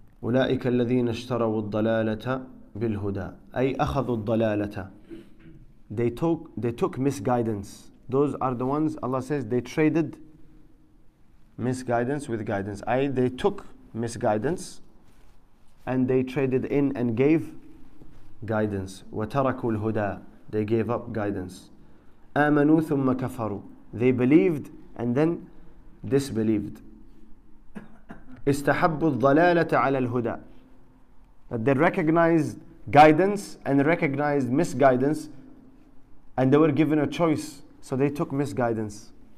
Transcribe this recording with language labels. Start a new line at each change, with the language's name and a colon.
Arabic: أولئك الذين اشتروا الضلالة بالهدى أي أخذوا الضلالة.
English: They took misguidance. Those are the ones Allah says they traded misguidance with guidance. أي they took misguidance and they traded in and gave guidance.
Arabic: وتركوا الهدى.
English: They gave up guidance.
Arabic: آمنوا ثم كفروا.
English: They believed and then disbelieved.
Arabic: استحبوا الضلالة على الهدى.
English: That they recognized guidance and recognized misguidance, and they were given a choice, so they took misguidance.